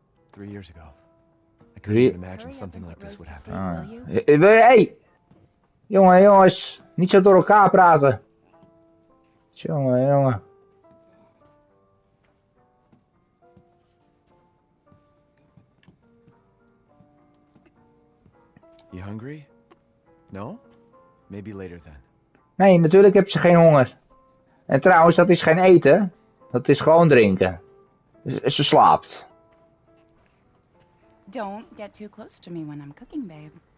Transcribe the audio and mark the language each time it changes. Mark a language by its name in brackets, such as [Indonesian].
[English] 3 years ago, I couldn't imagine something like this would happen. [Dutch] Jongen, jongens, niet zo door elkaar praten. Jongen, jongen. [English] You hungry? No? Maybe later then. [Dutch] Nee, natuurlijk heb je geen honger. En trouwens, dat is geen eten. Dat is gewoon drinken. Ze slaapt. [English] Don't get too close to me when I'm cooking, babe.